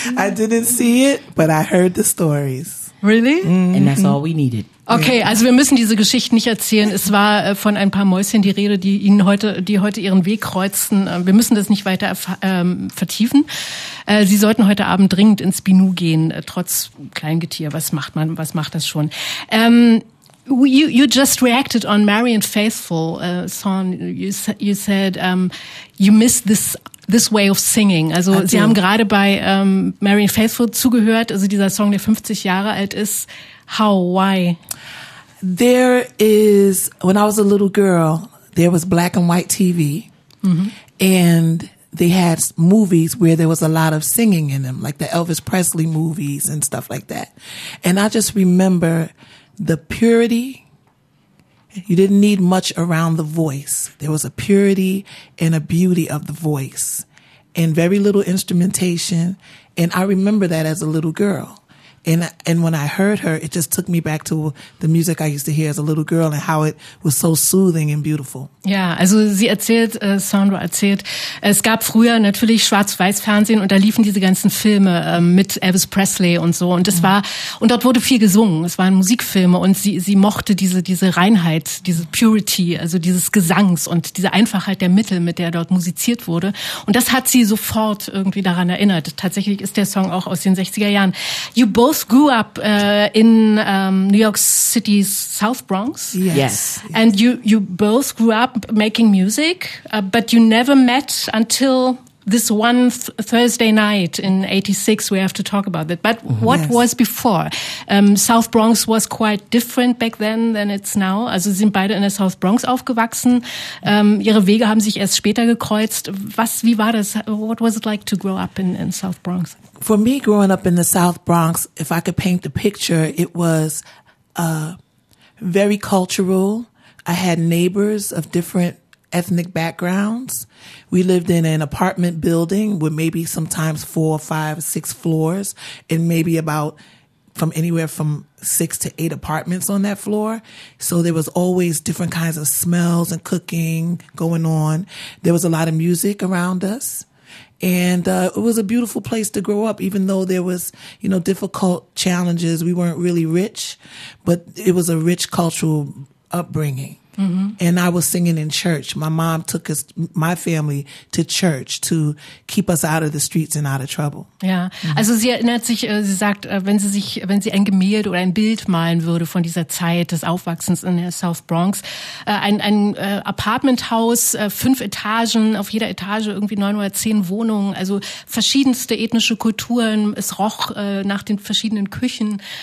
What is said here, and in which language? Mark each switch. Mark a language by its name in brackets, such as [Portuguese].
[English] I didn't see it, but I heard the stories. Really? And that's all we needed. [German] Okay, also wir müssen diese Geschichte nicht erzählen. Es war von ein paar Mäuschen die Rede, die Ihnen heute, die heute Ihren Weg kreuzten. Wir müssen das nicht weiter vertiefen. Sie sollten heute Abend dringend ins Binu gehen, trotz Kleingetier. Was macht man? Was macht das schon? [English] You just reacted on Mary and Faithful song. You said you miss this way of singing. [German] Also Sie haben gerade bei Mary and Faithful zugehört. Also dieser Song, der 50 Jahre alt ist. [English] How? Why? There is, when I was a little girl, there was black and white TV, and they had movies where there was a lot of singing in them, like the Elvis Presley movies and stuff like that. And I just remember the purity. You didn't need much around the voice. There was a purity and a beauty of the voice and very little instrumentation. And I remember that as a little girl. And when I heard her, it just took me back to the music I used to hear as a little girl and how it was so soothing and beautiful. [German] Ja, also sie erzählt, Sandra erzählt, es gab früher natürlich Schwarz-Weiß-Fernsehen und da liefen diese ganzen Filme mit Elvis Presley und so. Und es war, und dort wurde viel gesungen. Es waren Musikfilme und sie mochte diese Reinheit, diese Purity, also dieses Gesangs und diese Einfachheit der Mittel, mit der dort musiziert wurde. Und das hat sie sofort irgendwie daran erinnert. Tatsächlich ist der Song auch aus den 60er Jahren. [English] You both grew up in New York City's South Bronx. Yes. Yes. And you both grew up making music, but you never met until this one Thursday night in 86. We have to talk about that. But what was before? South Bronx was quite different back then than it's now. [German] Also Sie sind beide in der South Bronx aufgewachsen. Ihre Wege haben sich erst später gekreuzt. Wie war das? [English] What was it like to grow up in South Bronx? For me, growing up in the South Bronx, if I could paint the picture, it was very cultural. I had neighbors of different ethnic backgrounds. We lived in an apartment building with maybe sometimes 4, 5, 6 floors and maybe about from anywhere from 6 to 8 apartments on that floor. So there was always different kinds of smells and cooking going on. There was a lot of music around us. And it was a beautiful place to grow up, even though there was, you know, difficult challenges. We weren't really rich, but it was a rich cultural upbringing. And I was singing in church. My mom took us, my family, to church to keep us out of the streets and out of trouble. [German] Ja, also sie erinnert sich, sie sagt, wenn sie ein Gemälde oder ein Bild malen würde von dieser Zeit des Aufwachsens in der South Bronx, ein Apartmenthaus, 5 Etagen, auf jeder Etage irgendwie 9 oder 10 Wohnungen, also verschiedenste ethnische Kulturen, es roch nach den verschiedenen Küchen.